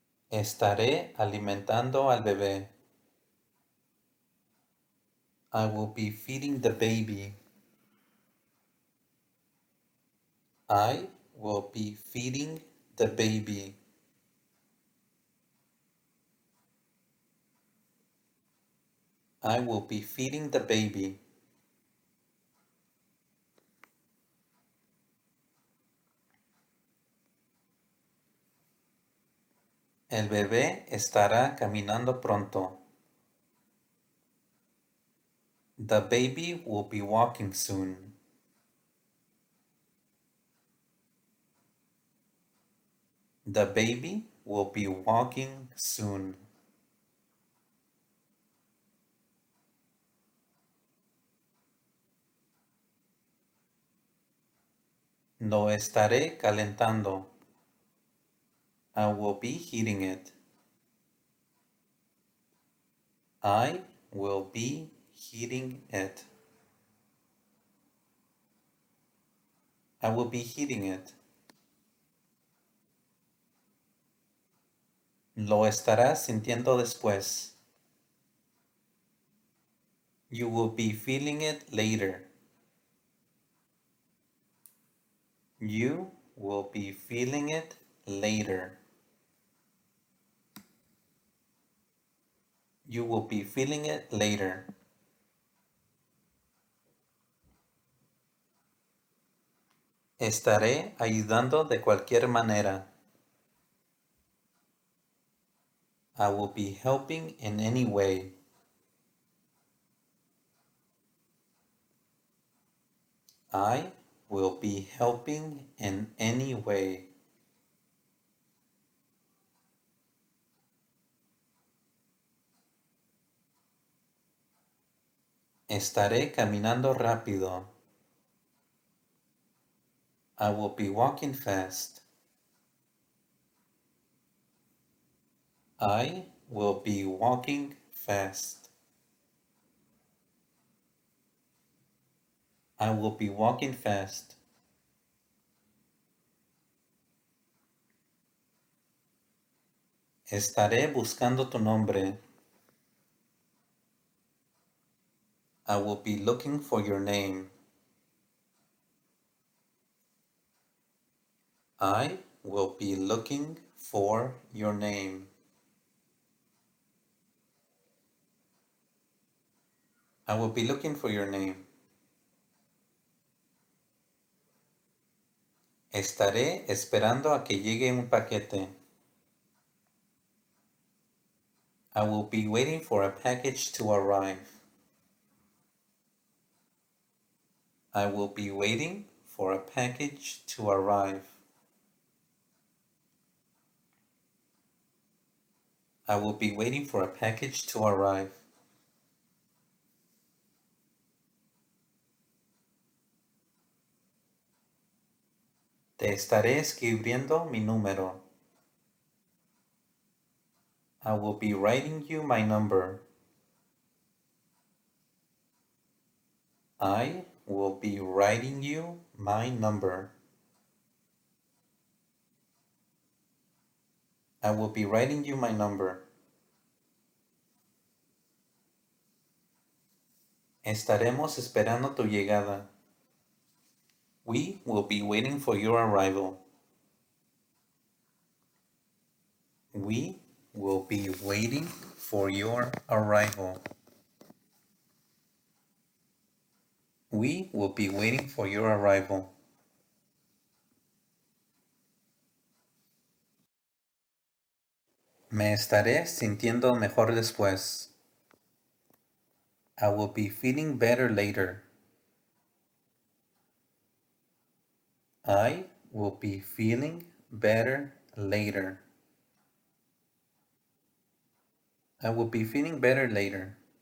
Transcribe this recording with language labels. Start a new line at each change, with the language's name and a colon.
Spanish: Estaré alimentando al bebé.
English: I will be feeding the baby. I will be feeding the baby. I will be feeding the baby.
Spanish: El bebé estará caminando pronto.
English: The baby will be walking soon. The baby will be walking soon.
Spanish: Lo estaré calentando.
English: I will be heating it. I will be heating it. I will be heating it.
Spanish: Lo estarás sintiendo después.
English: You will be feeling it later. You will be feeling it later. You will be feeling it later.
Spanish: Estaré ayudando de cualquier manera.
English: I will be helping in any way. I will be helping in any way.
Spanish: Estaré caminando rápido.
English: I will be walking fast. I will be walking fast. I will be walking fast.
Spanish: Estaré buscando tu nombre.
English: I will be looking for your name. I will be looking for your name. I will be looking for your name.
Spanish: Estaré esperando a que llegue un paquete.
English: I will be waiting for a package to arrive. I will be waiting for a package to arrive. I will be waiting for a package to arrive.
Spanish: Te estaré escribiendo mi número.
English: I will be writing you my number. I will be writing you my number. I will be writing you my number.
Spanish: Estaremos esperando tu llegada.
English: We will be waiting for your arrival. We will be waiting for your arrival. We will be waiting for your arrival.
Spanish: Me estaré sintiendo mejor después.
English: I will be feeling better later. I will be feeling better later. I will be feeling better later.